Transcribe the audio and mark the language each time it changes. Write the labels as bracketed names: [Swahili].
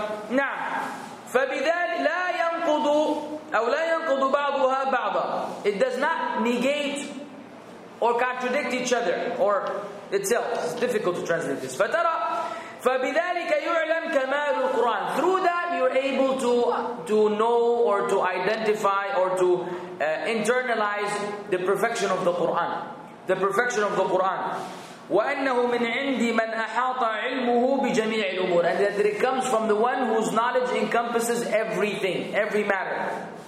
[English] Now, [Arabic] فبذلك لا ينقض أو لا ينقض بعضها بعضا. [English] It does not negate or contradict each other or itself. It's difficult to translate this. [Arabic] فترى فبذلك يعلم كمال القرآن. [English] Through that you're able to know or to identify or to internalize the perfection of the Quran. The perfection of the Quran. [Arabic] وَأَنَّهُ مِنْ عِنْدِي مَنْ أَحَاطَ عِلْمُهُ بِجَمِيعِ الْأُمُورِ. [English] And that it comes from the one whose knowledge encompasses everything, every matter.